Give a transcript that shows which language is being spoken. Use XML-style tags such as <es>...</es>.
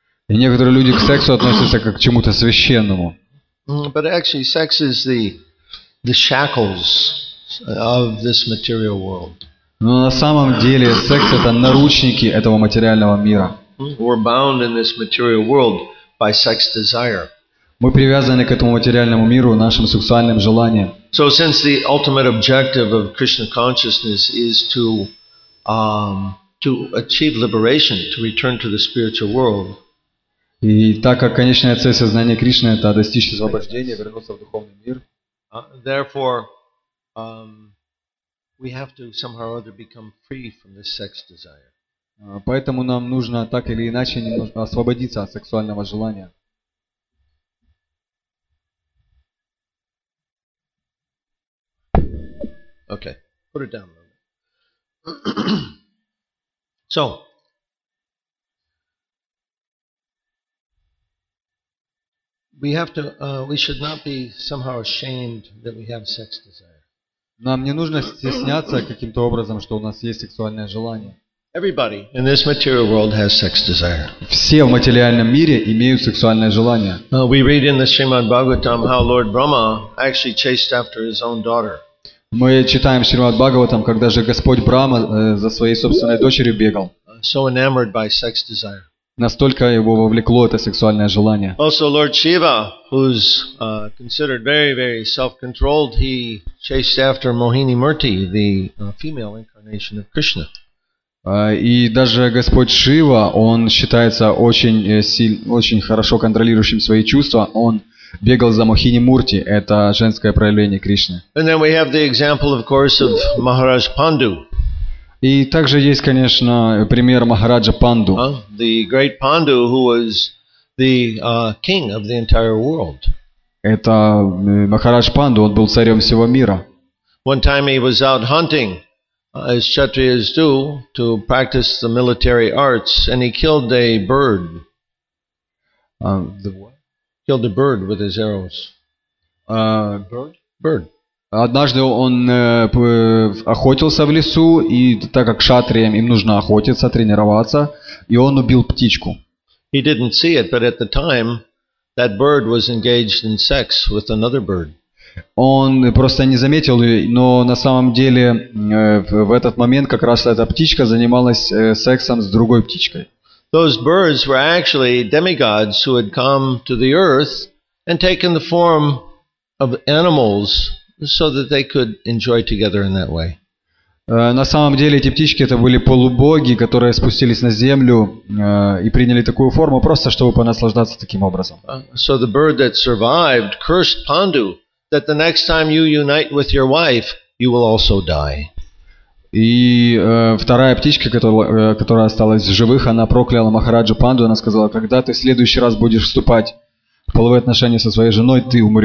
<ru>И некоторые люди к сексу относятся как к чему-то священному. Но на самом деле секс – это наручники этого материального мира.</ru> <en>We're bound in this material world by sex desire.</en> <ru>Мы привязаны к этому материальному миру нашим сексуальным желанием.</ru> <en>So since the ultimate objective of Krishna consciousness is to achieve liberation, to return to the spiritual world.</en> <ru>И так как конечная цель сознания Кришны это достичь освобождения, вернуться в духовный мир.</ru> <en>Therefore, we have to somehow or other become free from this sex desire.</en> <ru>Поэтому нам нужно так или иначе немножко освободиться от сексуального желания.</ru> <en>Okay. Put it down. So. We have to we should not be somehow ashamed that we have sex desire.</en> <ru>Нам не нужно стесняться каким-то образом, что у нас есть сексуальное желание.</ru> <en>Everybody in this material world has sex desire.</en> <ru>Все в материальном мире имеют сексуальное желание.</ru> <en>We read in the Srimad Bhagavatam how Lord Brahma actually chased after his own daughter.</en> <ru>Мы читаем Шримад Бхагаватам, когда же Господь Брахма за своей собственной дочерью бегал.</ru> <en>So enamored by sex desire.</en> <ru>Настолько его вовлекло это сексуальное желание.</ru> <en>Also Lord Shiva, who's considered very, very self-controlled, he chased after Mohini Murti, the female incarnation of Krishna.</en> <ru>И даже Господь Шива, он считается очень хорошо контролирующим свои чувства. Он бегал за Мохини Мурти, это женское проявление Кришны.</ru> <en>And then we have the example, of course, of Maharaj Pandu.</en> <ru>И также есть, конечно, пример Махараджа Панду.</ru> <en>The great Pandu, who was the king of the entire world.</en> <ru>Это Махарадж Панду, он был царем всего мира.</ru> <en>One time he was out hunting. As kshatriyas do, to practice the military arts, and he killed a bird. The what? Killed a bird with his arrows. Bird? Bird.</en> <ru>Однажды он охотился в лесу, и так как кшатриям им нужно охотиться, тренироваться, и он убил птичку.</ru> <en>He didn't see it, but at the time that bird was engaged in sex with another bird.</en> <ru>Он просто не заметил ее, но на самом деле в этот момент как раз эта птичка занималась сексом с другой птичкой.</ru> <en>Those birds were actually demigods who had come to the earth and taken the form of animals so that they could enjoy together in that way.</en> <ru>На самом деле эти птички это были полубоги, которые спустились на землю и приняли такую форму просто чтобы понаслаждаться таким образом.</ru> <en>So the bird that survived cursed Pandu that the next time you unite with your wife, you will also die.</en> <ru>И вторая птичка, которая осталась в живых, она прокляла Махараджу Панду, она сказала, когда ты в следующий раз будешь вступать в половые отношения со своей женой, ты</ru>